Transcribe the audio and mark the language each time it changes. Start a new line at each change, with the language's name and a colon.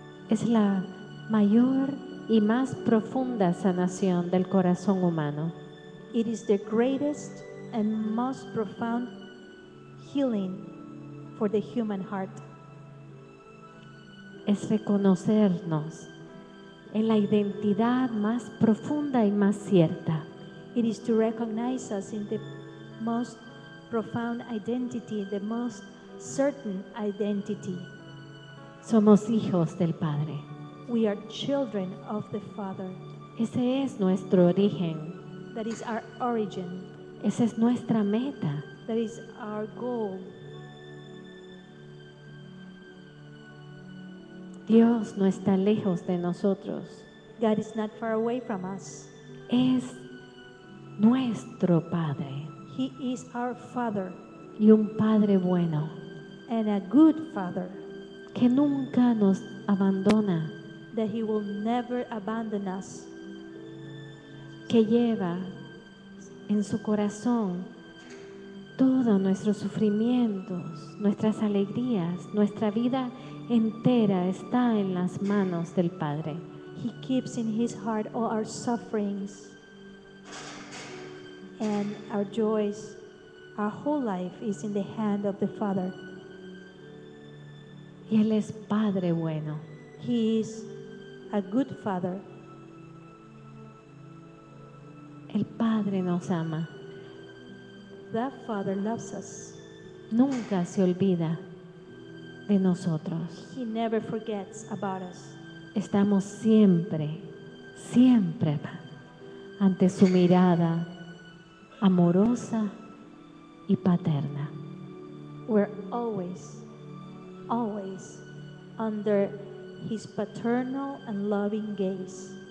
Spanish: es la mayor y más profunda sanación del corazón humano.
English: It is the greatest and most profound healing for the human heart.
Spanish: Es reconocernos en la identidad más profunda y más cierta.
English: It is to recognize us in the most profound identity, the most certain identity.
Spanish: Somos hijos del Padre.
English: We are children of the Father.
Spanish: Ese es nuestro origen.
English: That is our origin.
Spanish: Esa es nuestra meta.
English: That is our goal.
Spanish: Dios no está lejos de nosotros.
English: God is not far away from us.
Spanish: Es nuestro Padre.
English: He is our Father.
Spanish: Y un Padre bueno.
English: And a good Father.
Spanish: Que nunca nos abandona.
English: That he will never abandon us.
Spanish: Que lleva en su corazón todos nuestros sufrimientos, nuestras alegrías, nuestra vida entera está en las manos del Padre.
English: He keeps in his heart all our sufferings and our joys. Our whole life is in the hand of the Father.
Spanish: Y él es Padre bueno.
English: He is a good father.
Spanish: El Padre nos ama.
English: The Father loves us.
Spanish: Nunca se olvida de nosotros.
English: He never forgets about us.
Spanish: Estamos siempre, siempre ante su mirada amorosa y paterna.
English: We're always, always under his paternal and loving gaze.